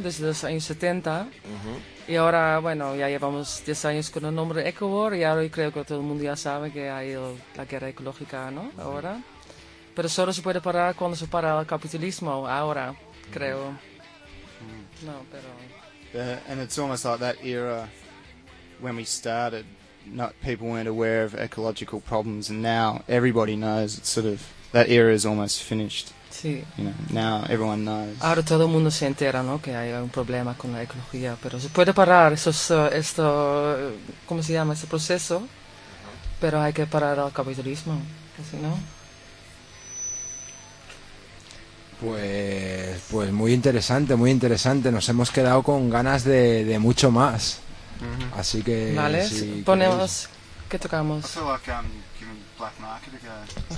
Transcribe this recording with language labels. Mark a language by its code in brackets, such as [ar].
[es] Desde los años 70. Uh-huh. Y ahora, bueno, ya llevamos 10 años con el nombre EcoWar y ahora creo que todo el mundo ya sabe que hay la guerra ecológica, ¿no? Uh-huh. Ahora. Pero solo se puede parar cuando se para el capitalismo, ahora, creo. No, pero... [en] And it's almost like that era when we started, not people weren't aware of ecological problems, and now everybody knows, it's sort of, that era is almost finished. [es] Sí. [en] You know, now everyone knows. [es] Ahora todo el mundo se entera, ¿no?, que hay un problema con la ecología, pero se puede parar esto, ¿cómo se llama?, ese proceso, pero hay que parar el capitalismo, así, ¿no? Pues muy interesante, muy interesante. Nos hemos quedado con ganas de mucho más. Mm-hmm. Así que... Vale, si ponemos... Queréis. ¿Qué tocamos? [en] I feel like I'm giving Black Market a go.